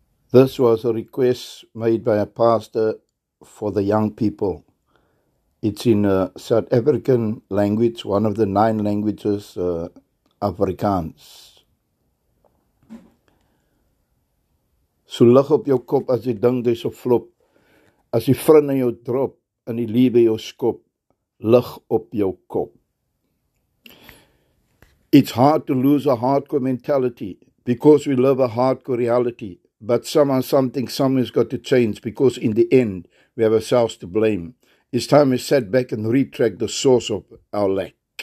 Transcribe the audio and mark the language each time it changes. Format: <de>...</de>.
<en>This was a request made by a pastor for the young people. It's in a South African language, one of the nine languages, Afrikaans.</en> <af>So lig op jou kop as jy dink jy's 'n flop, as die vrinne jou drop en die liewe jou skop, lig op jou kop.</af> <en>It's hard to lose a hardcore mentality because we live a hardcore reality. But somehow something, something's got to change because in the end, we have ourselves to blame. It's time we sat back and retrack the source of our lack.</en>